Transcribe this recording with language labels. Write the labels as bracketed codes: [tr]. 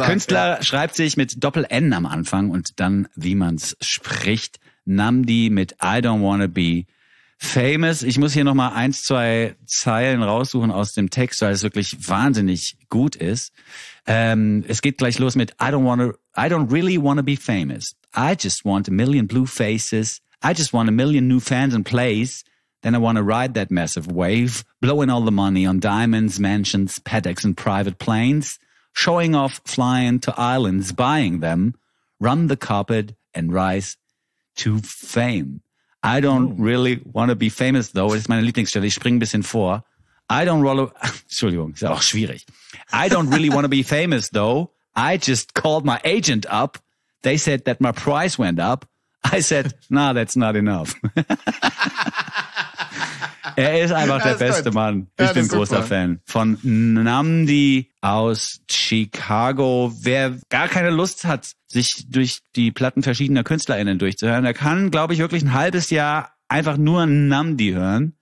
[de] Der Künstler schreibt sich mit Doppel-N am Anfang und dann, wie man's spricht, Namdi mit I Don't Wanna Be Famous. Ich muss hier nochmal 1-2 Zeilen raussuchen aus dem Text, weil es wirklich wahnsinnig gut ist. Es geht gleich los mit [en] I don't really wanna be famous. I just want a million blue faces. I just want a million new fans and plays. Then I wanna ride that massive wave, blowing all the money on diamonds, mansions, paddocks and private planes, showing off flying to islands, buying them, run the carpet and rise to fame. I don't really want to be famous, though. [de] Das ist meine Lieblingsstelle. Ich springe ein bisschen vor. Entschuldigung, ist auch schwierig. [en] I don't really want to be famous, though. I just called my agent up. They said that my price went up. I said, nah, that's not enough. [de] Er ist einfach der beste Mann. Ich bin großer Fan. Von Namdi aus Chicago. Wer gar keine Lust hat, sich durch die Platten verschiedener KünstlerInnen durchzuhören, der kann, glaube ich, wirklich ein halbes Jahr einfach nur Namdi hören.